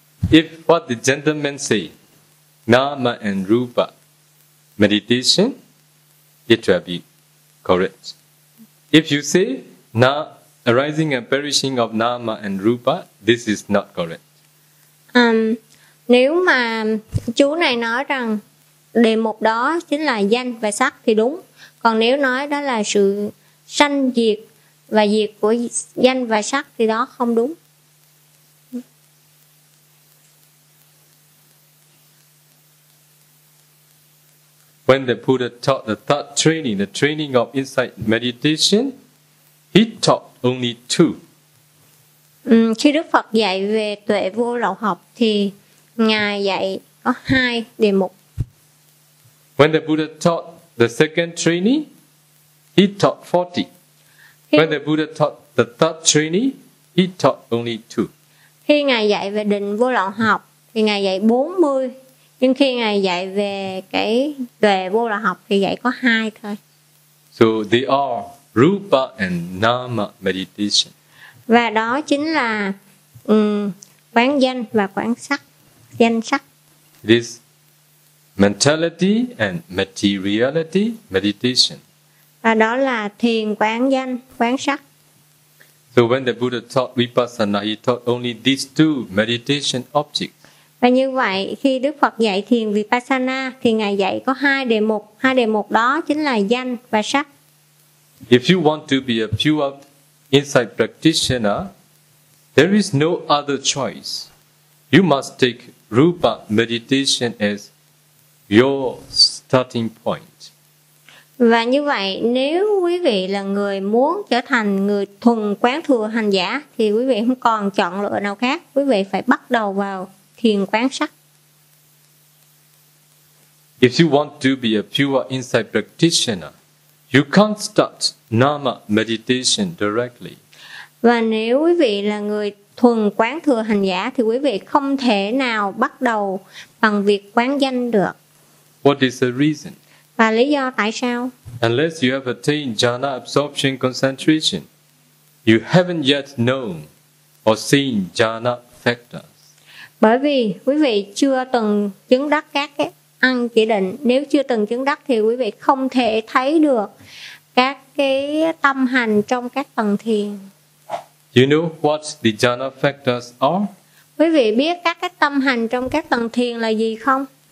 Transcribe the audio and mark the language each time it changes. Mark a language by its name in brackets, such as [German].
[English] If what the gentleman say, nama and rupa, meditation, it will be correct. If you say, na arising and perishing of nama and rupa, this is not correct. [Vietnamese] Nếu mà chú này nói rằng đề mục đó chính là danh và sắc thì đúng. Còn nếu nói đó là sự sanh diệt và diệt của danh và sắc thì đó không đúng. [English] When the Buddha taught the third training, the training of insight meditation, he taught only two. [Vietnamese] Khi Đức Phật dạy về tuệ vô lậu học thì Ngài dạy có hai đề mục. [English] When the Buddha taught the second training, he taught 40. When the Buddha taught the third training, he taught only two. [Vietnamese] Khi Ngài dạy về định vô lậu học thì Ngài dạy 40. Nhưng khi Ngài dạy về cái tuệ vô lậu học thì dạy có hai thôi. [English] So they are Rupa and Nama meditation. [Vietnamese] Và đó chính là quán danh và quán sắc, danh sắc. [English] It is mentality and materiality meditation. [Vietnamese] Và đó là thiền quán danh, quán sắc. [English] So when the Buddha taught Vipassana, he taught only these two meditation objects. [Vietnamese] Và như vậy, khi Đức Phật dạy thiền Vipassana, thì Ngài dạy có hai đề mục. Hai đề mục đó chính là danh và sắc. [English] If you want to be a pure insight practitioner, there is no other choice. You must take Rupa meditation as your starting point. [Vietnamese] Và như vậy, nếu quý vị là người muốn trở thành người thuần quán thừa hành giả, thì quý vị không còn chọn lựa nào khác. Quý vị phải bắt đầu vào thiền quán sắc. [English] If you want to be a pure insight practitioner, you can't start nama meditation directly. [Vietnamese] Và nếu quý vị là người thuần quán thừa hành giả thì quý vị không thể nào bắt đầu bằng việc quán danh được. [English] What is the reason? [Vietnamese] Và lý do tại sao? [English] Unless you have attained jhana absorption concentration, you haven't yet known or seen jhana factor. [Vietnamese] Bởi vì quý vị chưa từng chứng đắc các cái ăn chỉ định, nếu chưa từng chứng đắc thì quý vị không thể thấy được các cái tâm hành trong các tầng thiền. [English] You know what the jhana factors are? [Vietnamese] Quý vị biết các cái tâm hành trong các tầng thiền là gì không?